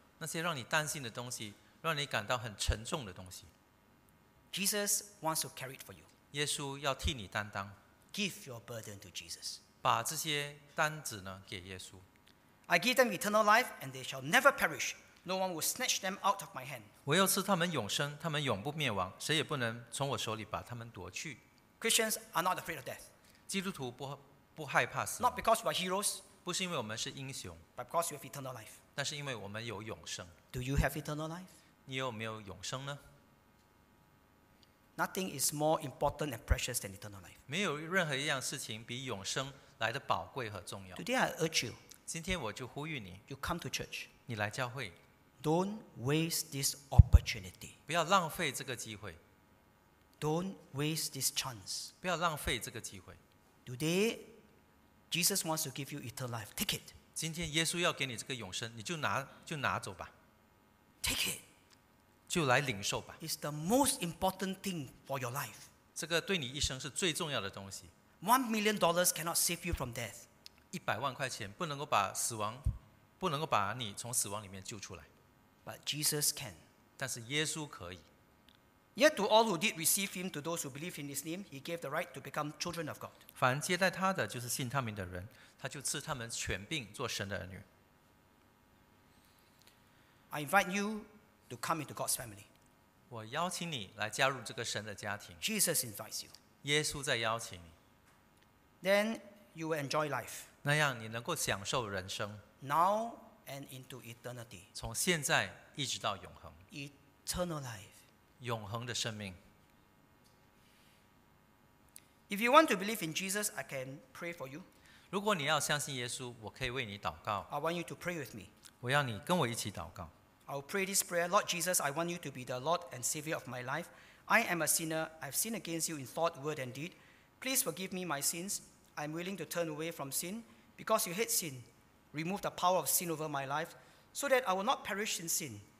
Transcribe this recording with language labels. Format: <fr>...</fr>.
<zh>那些让你担心的东西，让你感到很沉重的东西。</zh> <en>Jesus wants to carry it for you.</en> <zh>耶稣要替你担当。</zh> <en>Give your burden to Jesus.</en> <zh>把这些担子呢给耶稣。</zh> <en>I give them eternal life, and they shall never perish. No one will snatch them out of my hand.</en> <zh>我要赐他们永生，他们永不灭亡，谁也不能从我手里把他们夺去。</zh> <en>Christians are not afraid of death.</en> <zh>基督徒不害怕死亡。</zh> <en>Not because we are heroes.</en> <zh>不是因为我们是英雄。</zh> <en>But because you have eternal life.</en> <zh>但是因为我们有永生。</zh> <en>Do you have eternal life?</en> <zh>你有没有永生呢？</zh> <en>Nothing is more important and precious than eternal life.</en> <zh>没有任何一样事情比永生来的宝贵和重要。</zh> <en>Today I urge you.</en> <zh>今天我就呼吁你。</zh> <en>You come to church.</en> <zh>你来教会。</zh> <en>Don't waste this opportunity.</en> <zh>不要浪费这个机会。</zh> <en>Don't waste this chance.</en> <zh>不要浪费这个机会。</zh> <en>Today, Jesus wants to give you eternal life. Take it.</en> <zh>今天耶稣要给你这个永生，你就拿走吧。</zh> <en>Take it.</en> <zh>就来领受吧。</zh> <en>It's the most important thing for your life.</en> <zh>这个对你一生是最重要的东西。</zh> <en>$1 million cannot save you from death.</en> <zh>100,000块钱不能够把死亡，不能够把你从死亡里面救出来。</zh> <en>But Jesus can.</en> <zh>但是耶稣可以。</zh> <en>Yet to all who did receive him, to those who believe in his name, he gave the right to become children of God.</en> <zh>凡接待他的就是信他名的人，他就赐他们权柄做神的儿女。</zh> <en>I invite you to come into God's family.</en> <zh>我邀请你来加入这个神的家庭。</zh> <en>Jesus invites you.</en> <zh>耶稣在邀请你。</zh> <en>Then you will enjoy life.</en> <zh>那样你能够享受人生。</zh> <en>Now and into eternity.</en> <zh>从现在一直到永恒。</zh> <en>Eternal life.</en> <zh>永恒的生命。</zh> <en>If you want to believe in Jesus, I can pray for you.</en> <zh>如果你要相信耶稣，我可以为你祷告。</zh> <en>I want you to pray with me.</en> <zh>我要你跟我一起祷告。</zh> <en>I'll pray this prayer, Lord Jesus. I want you to be the Lord and Savior of my life. I am a sinner. I've sinned against you in thought, word, and deed. Please forgive me my sins. I'm willing to turn away from sin because you hate sin. Remove the power of sin over my life, so that I will not perish in sin.</en>